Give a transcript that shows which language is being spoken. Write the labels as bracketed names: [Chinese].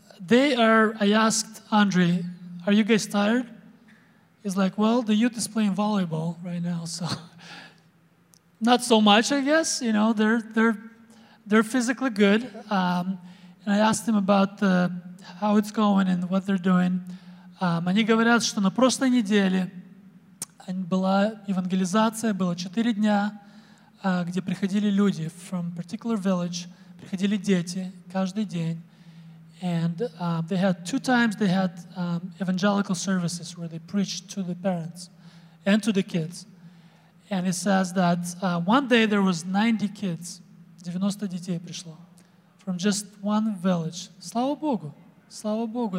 [English] I asked Andre, are you guys tired? He's like, well, the youth is playing volleyball right now. So not so much, I guess. You know, they're physically good. And I asked him about how it's going and what they're doing. [Russian] Они говорят, что на прошлой неделе была евангелизация, было 4 дня, где приходили люди [English] from a particular village, [Russian] приходили дети каждый день. [English] And they had two times they had evangelical services where they preached to the parents and to the kids. And it says that one day there was 90 kids, [Russian] 90 детей пришло. [English] From just one village. [Russian] Слава Богу. Слава Богу.